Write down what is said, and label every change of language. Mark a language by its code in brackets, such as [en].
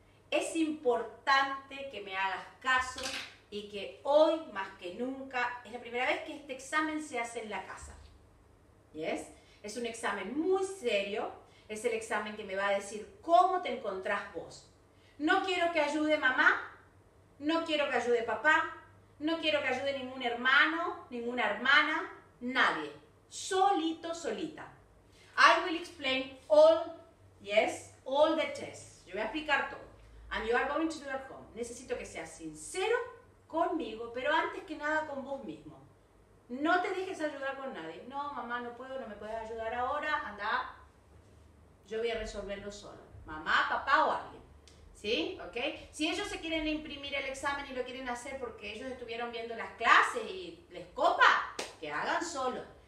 [es] Es importante que me hagas caso y que hoy más que nunca, es la primera vez que este examen se hace en la casa. [en] ¿Yes? [es] Es un examen muy serio, es el examen que me va a decir cómo te encontrás vos. No quiero que ayude mamá, no quiero que ayude papá, no quiero que ayude ningún hermano, ninguna hermana, nadie. Solito, solita. [en] I will explain all, yes, all the tests. [es] Yo voy a explicar todo. [en] And you are going to do at home. [es] Necesito que seas sincero conmigo, pero antes que nada con vos mismo. No te dejes ayudar con nadie. No, mamá, no puedo, no me puedes ayudar ahora. Anda, yo voy a resolverlo solo. Mamá, papá o alguien. ¿Sí? ¿Ok? Si ellos se quieren imprimir el examen y lo quieren hacer porque ellos estuvieron viendo las clases y les copa, que hagan solo.